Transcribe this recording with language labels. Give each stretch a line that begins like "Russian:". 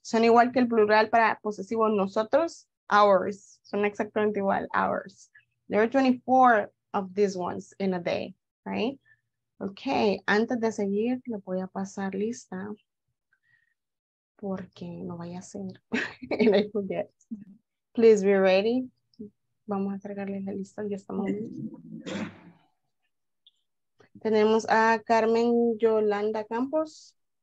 Spanish: Son igual que el plural para posesivo nosotros. Hours. Son exactamente igual. Hours.
English: There are 24 of these ones in a day, right? Okay.
Spanish: Antes de seguir, le voy a pasar lista. Porque no vaya a ser.
English: And I forget. Please be ready.
Spanish: Vamos a cargarle la lista. Ya estamos listos. Tenemos a Carmen Yolanda Campos.